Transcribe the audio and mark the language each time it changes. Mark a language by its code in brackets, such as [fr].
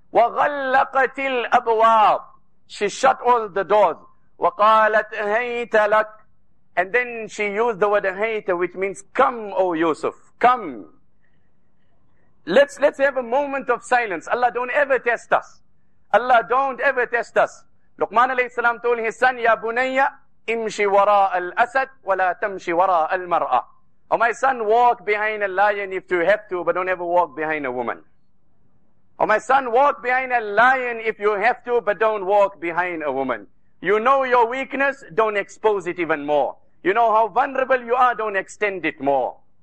[ar] وَغَلَّقَتِ الْأَبْوَابِ. [en] She shut all the doors. [ar] وَقَالَتْ هَيْتَ لَكْ. [en] And then she used the word هَيْتَ, which means, come, O Yusuf, come. Let's have a moment of silence. Allah, don't ever test us. Allah, don't ever test us. Luqman alayhi salam told his son, [ar] يَا بُنَيَّ إِمْشِ وَرَاءَ الْأَسَدْ وَلَا تَمْشِ وَرَاءَ الْمَرْأَى. [en] Oh, my son, walk behind a lion if you have to, but don't ever walk behind a woman. Oh, my son, walk behind a lion if you have to, but don't walk behind a woman. You know your weakness, don't expose it even more. You know how vulnerable you are, don't extend it more.